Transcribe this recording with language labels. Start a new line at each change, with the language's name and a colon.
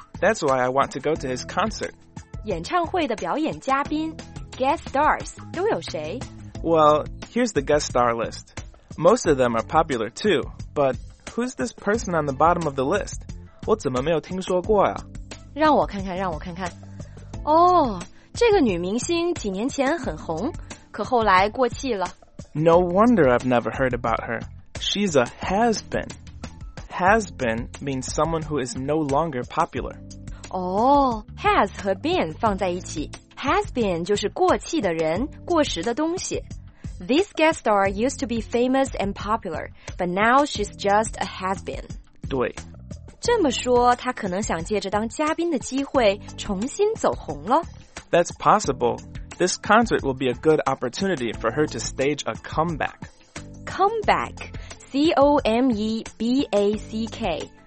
English: That's why I want to go to his concert.
Chinese: 演唱会的表演嘉宾 ,
English: guest stars,
Chinese: 都有谁
English: ?Well, here's the guest star list. Most of them are popular too, but who's this person on the bottom of the list?
Chinese: 我怎么没有听说过啊？让我看看，让我看看。哦、oh,这个女明星几年前很红，可后来过气了。
English: No wonder I've never heard about her. She's a has-been. Has-been means someone who is no longer popular.
Chinese: 哦、has 和 been 放在一起。Has-been 就是过气的人，过时的东西。
English: This guest star used to be famous and popular, but now she's just a has-been.
Chinese: 对。这么说，她可能想借着当嘉宾的机会重新走红了。
English: That's possible. This concert will be a good opportunity for her to stage a comeback. Comeback, C-O-M-E-B-A-C-K.